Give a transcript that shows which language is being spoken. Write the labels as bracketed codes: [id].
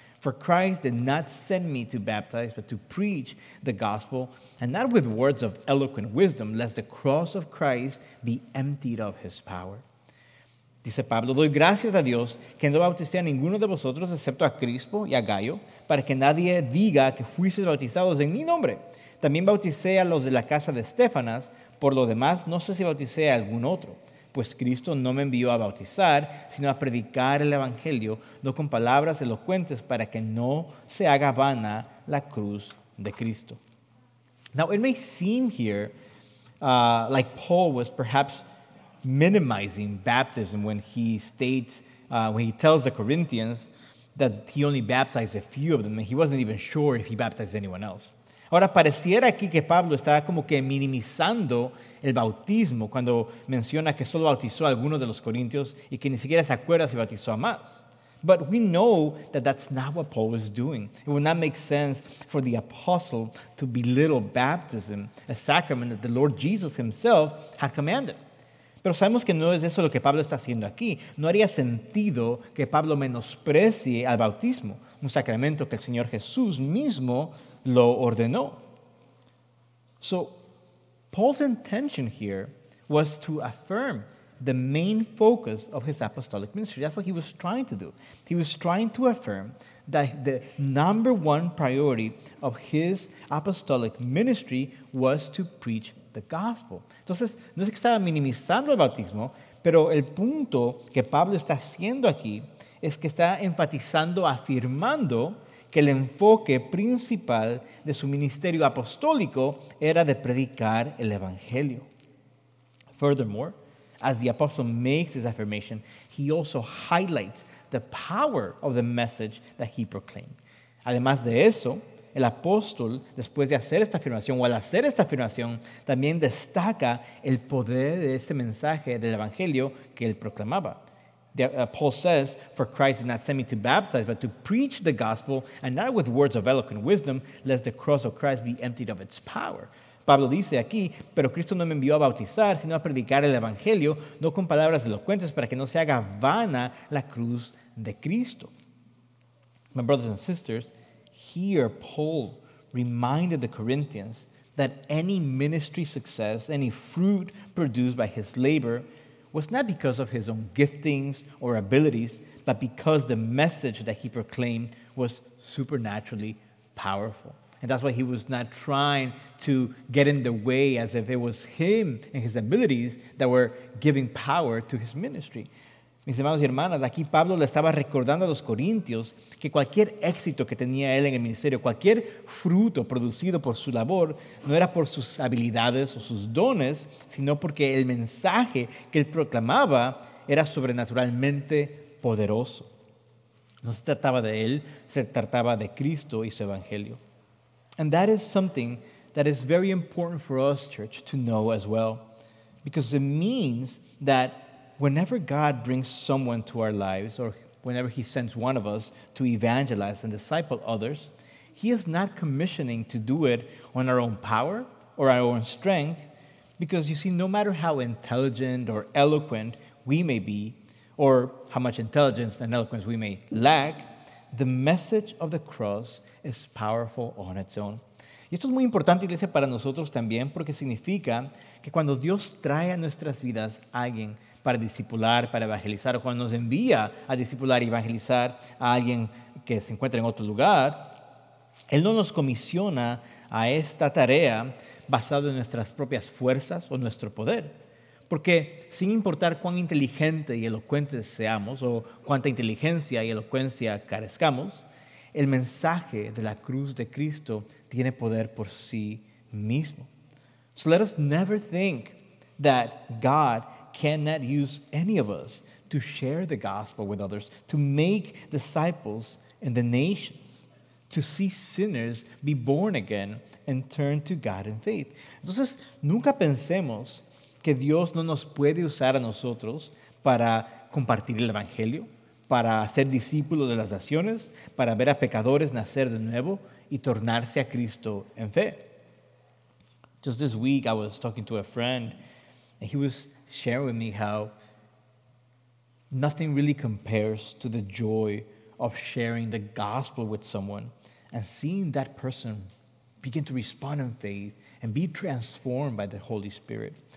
[en] For Christ did not send me to baptize, but to preach the gospel, and not with words of eloquent wisdom, lest the cross of Christ be emptied of his power. [es] Dice Pablo, doy gracias a Dios que no bauticé a ninguno de vosotros excepto a Crispo y a Gaio, para que nadie diga que fuisteis bautizados en mi nombre. También bauticé a los de la casa de Estefanas. Por lo demás, no sé si bauticé a algún otro, pues Cristo no me envió a bautizar, sino a predicar el Evangelio, no con palabras elocuentes, para que no se haga vana la cruz de Cristo. [en] Now, it may seem here like Paul was perhaps minimizing baptism when he states, when he tells the Corinthians that he only baptized a few of them, and he wasn't even sure if he baptized anyone else. [es] Ahora, pareciera aquí que Pablo estaba como que minimizando el bautismo cuando menciona que solo bautizó a algunos de los corintios y que ni siquiera se acuerda si bautizó a más. [en] But we know that that's not what Paul was doing. It would not make sense for the apostle to belittle baptism, a sacrament that the Lord Jesus himself had commanded. [es] Pero sabemos que no es eso lo que Pablo está haciendo aquí. No haría sentido que Pablo menosprecie al bautismo, un sacramento que el Señor Jesús mismo lo ordenó. [en] So, Paul's intention here was to affirm the main focus of his apostolic ministry. That's what he was trying to do. He was trying to affirm that the number one priority of his apostolic ministry was to preach the gospel. [es] Entonces, no es que estaba minimizando el bautismo, pero el punto que Pablo está haciendo aquí es que está enfatizando, afirmando que el enfoque principal de su ministerio apostólico era de predicar el evangelio. [en] Furthermore, as the apostle makes this affirmation, he also highlights the power of the message that he proclaimed. [es] Además de eso, el apóstol, después de hacer esta afirmación, o al hacer esta afirmación, también destaca el poder de ese mensaje del evangelio que él proclamaba. [en] Paul says, for Christ did not send me to baptize, but to preach the gospel, and not with words of eloquent wisdom, lest the cross of Christ be emptied of its power. [es] Pablo dice aquí, pero Cristo no me envió a bautizar, sino a predicar el evangelio, no con palabras elocuentes, para que no se haga vana la cruz de Cristo. [en] My brothers and sisters, here Paul reminded the Corinthians that any ministry success, any fruit produced by his labor, was not because of his own giftings or abilities, but because the message that he proclaimed was supernaturally powerful. And that's why he was not trying to get in the way as if it was him and his abilities that were giving power to his ministry. [es] Mis hermanos y hermanas, aquí Pablo le estaba recordando a los corintios que cualquier éxito que tenía él en el ministerio, cualquier fruto producido por su labor, no era por sus habilidades o sus dones, sino porque el mensaje que él proclamaba era sobrenaturalmente poderoso. No se trataba de él, se trataba de Cristo y su evangelio. [en] And that is something that is very important for us, church, to know as well, because it means that whenever God brings someone to our lives, or whenever he sends one of us to evangelize and disciple others, he is not commissioning to do it on our own power or our own strength, because you see, no matter how intelligent or eloquent we may be, or how much intelligence and eloquence we may lack, the message of the cross is powerful on its own. [es] esto es muy importante, iglesia, para nosotros también, porque significa que cuando Dios trae a nuestras vidas a alguien para discipular, para evangelizar, o cuando nos envía a discipular y evangelizar a alguien que se encuentra en otro lugar, Él no nos comisiona a esta tarea basado en nuestras propias fuerzas o nuestro poder. Porque sin importar cuán inteligente y elocuente seamos o cuánta inteligencia y elocuencia carezcamos, el mensaje de la cruz de Cristo tiene poder por sí mismo. [en] So let us never think that God cannot use any of us to share the gospel with others, to make disciples in the nations, to see sinners be born again and turn to God in faith. [es] Entonces, nunca pensemos que Dios no nos puede usar a nosotros para compartir el Evangelio, para ser discípulos de las naciones, para ver a pecadores nacer de nuevo y tornarse a Cristo en fe. [en] Just this week, I was talking to a friend, and he was sharing with me how nothing really compares to the joy of sharing the gospel with someone and seeing that person begin to respond in faith and be transformed by the Holy Spirit.